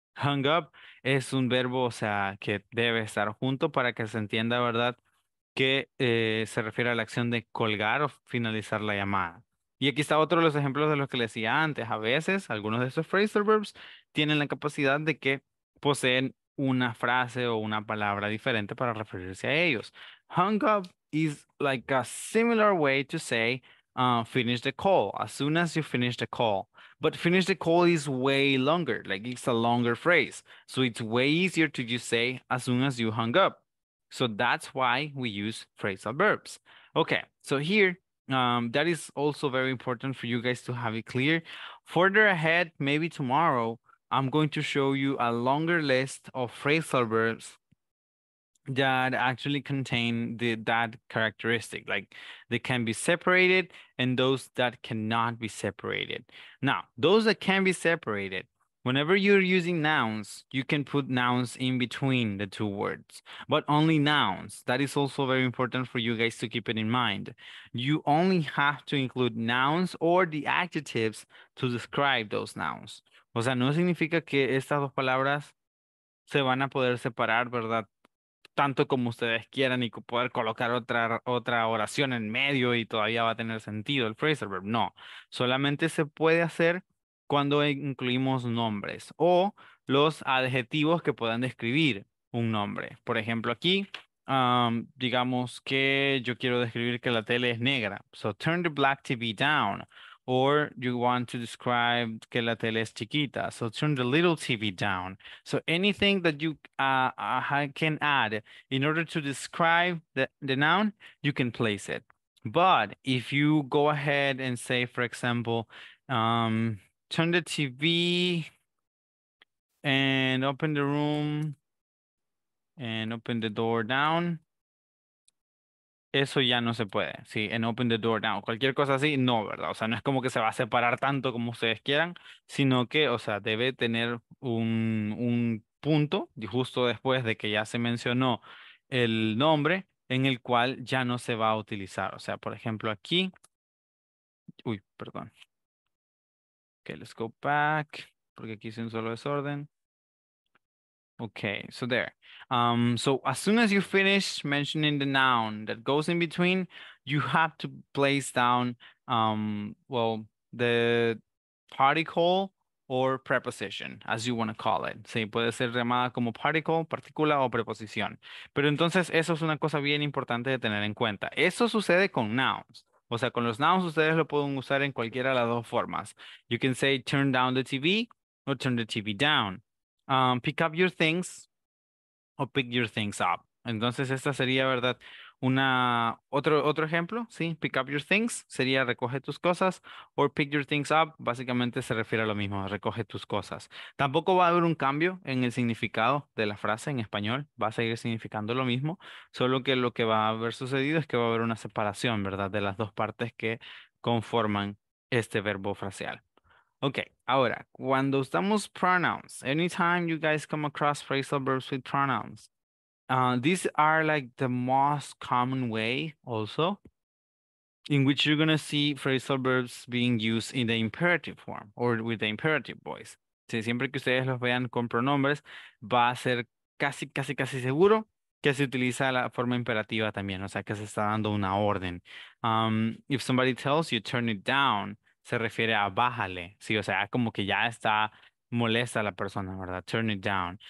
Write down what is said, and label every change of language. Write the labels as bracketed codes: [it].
[es] Hang up es un verbo, o sea, que debe estar junto para que se entienda, ¿verdad?, que se refiere a la acción de colgar o finalizar la llamada. Y aquí está otro de los ejemplos de los que les decía antes. A veces, algunos de esos phrasal verbs tienen la capacidad de que poseen una frase o una palabra diferente para referirse a ellos. [en] Hung up is like a similar way to say finish the call, as soon as you finish the call. But finish the call is way longer, like it's a longer phrase. So it's way easier to just say as soon as you hung up. So that's why we use phrasal verbs. Okay, so here, that is also very important for you guys to have it clear. Further ahead, maybe tomorrow, I'm going to show you a longer list of phrasal verbs that actually contain that characteristic, like they can be separated and those that cannot be separated. Now, those that can be separated, whenever you're using nouns, you can put nouns in between the two words, but only nouns. That is also very important for you guys to keep it in mind. You only have to include nouns or the adjectives to describe those nouns. [es] O sea, no significa que estas dos palabras se van a poder separar, ¿verdad? Tanto como ustedes quieran y poder colocar otra oración en medio y todavía va a tener sentido el phrasal verb. No, solamente se puede hacer cuando incluimos nombres o los adjetivos que puedan describir un nombre. Por ejemplo, aquí, digamos que yo quiero describir que la tele es negra. [en] So, turn the black TV down. Or you want to describe [es] que la tele es chiquita. [en] So, turn the little TV down. So, anything that you can add in order to describe the noun, you can place it. But if you go ahead and say, for example, turn the TV and open the room and open the door down. [es] Eso ya no se puede, sí, en [en] open the door down. [es] Cualquier cosa así, no, ¿verdad? O sea, no es como que se va a separar tanto como ustedes quieran, sino que, o sea, debe tener un punto justo después de que ya se mencionó el nombre en el cual ya no se va a utilizar. O sea, por ejemplo, aquí. Uy, perdón. [en] Okay, let's go back, [es] porque aquí hice un solo desorden. [en] Okay, so there. So as soon as you finish mentioning the noun that goes in between, you have to place down, the particle or preposition, as you want to call it. [es] Sí, puede ser llamada como particle, partícula o preposición. Pero entonces eso es una cosa bien importante de tener en cuenta. Eso sucede con nouns. O sea, con los nouns ustedes lo pueden usar en cualquiera de las dos formas. [en] You can say turn down the TV or turn the TV down. Pick up your things or pick your things up. [es] Entonces esta sería, ¿verdad? Otro ejemplo, ¿sí? [en] Pick up your things [es] sería recoge tus cosas [en] or pick your things up. [es] Básicamente se refiere a lo mismo, recoge tus cosas. Tampoco va a haber un cambio en el significado de la frase en español. Va a seguir significando lo mismo, solo que lo que va a haber sucedido es que va a haber una separación, ¿verdad? De las dos partes que conforman este verbo fraseal. Okay, ahora, cuando estamos [en] pronouns, anytime you guys come across phrasal verbs with pronouns, these are like the most common way also in which you're going to see phrasal verbs being used in the imperative form or with the imperative voice. [es] Si siempre que ustedes los vean con pronombres, va a ser casi, casi, casi seguro que se utiliza la forma imperativa también, o sea, que se está dando una orden. [en] If somebody tells you, turn it down, [es] se refiere a bájale, sí, o sea, como que ya está molesta la persona, ¿verdad? [en] Turn it down.